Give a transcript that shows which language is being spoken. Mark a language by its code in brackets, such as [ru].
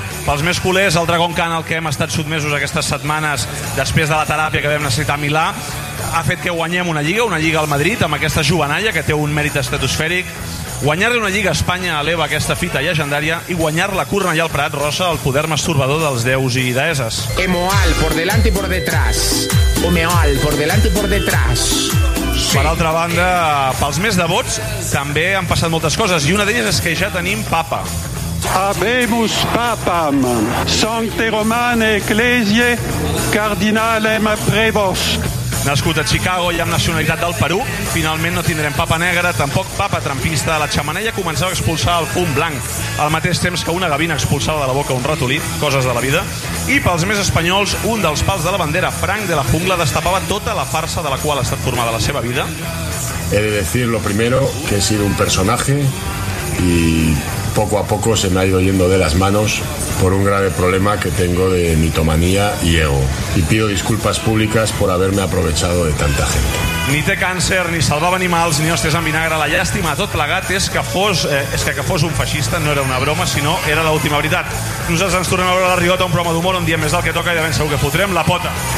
[ca] Pels més culers, el Dragon Khan, al que hem estat sotmesos aquestes setmanes després de la teràpia que vam necessitar a Milà, ha fet que guanyem una lliga al Madrid, amb aquesta juvenalla que té un mèrit estratosfèric. Guanyar-li una lliga a Espanya eleva aquesta fita llegendària i guanyar-la a Cornellà al Prat rosa el poder masturbador dels déus i deesses. [es] Emoal, por delante y por detrás. Omeoal, por delante y por detrás. [ca] Sí. Per altra banda, pels més devots, també han passat moltes coses i una d'elles és que ja tenim papa. [la] Habemus papam, sancte romane ecclesie, cardinalem prebost. [ca] Nascut a Chicago i amb nacionalitat del Perú, finalment no tindrem papa negra, tampoc papa trampista. La xamanella començava a expulsar el fum blanc, al mateix temps que una gavina expulsava de la boca un ratolí, coses de la vida. I pels més espanyols, un dels pals de la bandera, Frank de la Jungla, destapava tota la farsa de la qual ha estat formada la seva vida. [es] He de decir lo primero, que he sido un personaje y poco a poco se me ha ido yendo de las manos por un grave problema que tengo de mitomanía y ego. Y pido disculpas públicas por haberme aprovechado de tanta gente. [ca] Ni té càncer, ni salvava animals, ni hostes amb vinagre. La llàstima a tot plegat és que fos un feixista no era una broma, sinó era l'última veritat. Nosaltres ens tornem a veure a la Riota, un programa d'humor on diem més del que toca i de ben segur que fotrem la pota.